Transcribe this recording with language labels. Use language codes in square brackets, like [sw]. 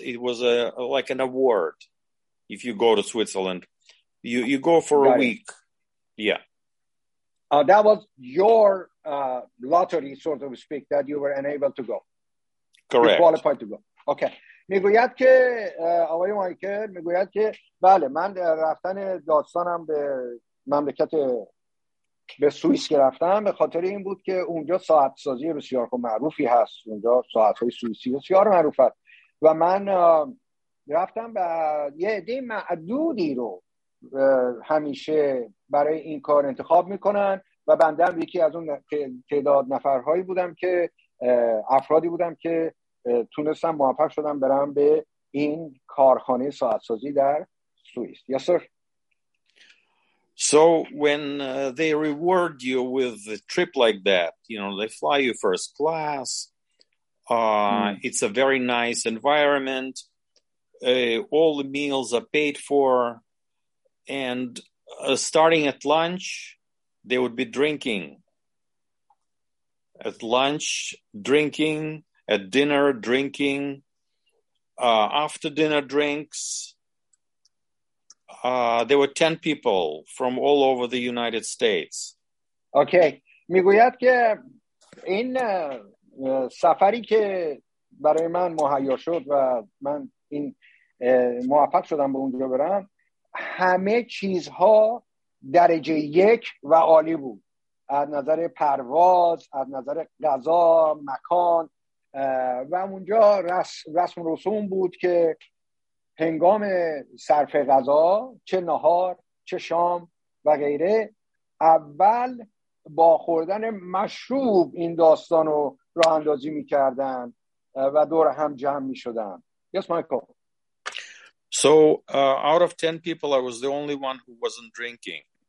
[en] It was like an award. If you go to Switzerland, you go for a week. Yeah. That was your lottery, so to speak, that you were unable to go. Correct. You qualified to go. Okay. [fa] میگوید که آقای مایکل میگوید که بله، من رفتن داستانم به مملکت به سوئیس که رفتم به خاطر این بود که اونجا ساعت سازی بسیار معروفی هست، اونجا ساعت‌های سوئیسی بسیار معروف است، و من رفتم و یه عده معدودی رو همیشه برای این کار انتخاب میکنن و بنده هم یکی از اون تعداد نفرهایی بودم که افرادی بودم که تونستم موفق شدم برم به این کارخانه ساعت سازی در سوئیس. یا سر [en] So when they reward you with a trip like that, you know, they fly you first class. It's a very nice environment. All the meals are paid for. And starting at lunch, they would be drinking. At lunch, drinking. At dinner, drinking. After dinner, drinks. There were 10 people from all over the United States. Okay. [fa] میگوید که این سفری که برای من مهیا شد و من این موفق شدم به اونجا برم همه چیزها درجه یک و عالی بود. از نظر پرواز، از نظر غذا، مکان و اونجا رسم رسوم بود که هنگام صرف غذا چه نهار چه شام و غیره اول با خوردن مشروب این داستانو راه اندازی می‌کردن و دور هم جمع می‌شدن. [en] Yes, Michael. So out of 10 people I was the only one who wasn't drinking.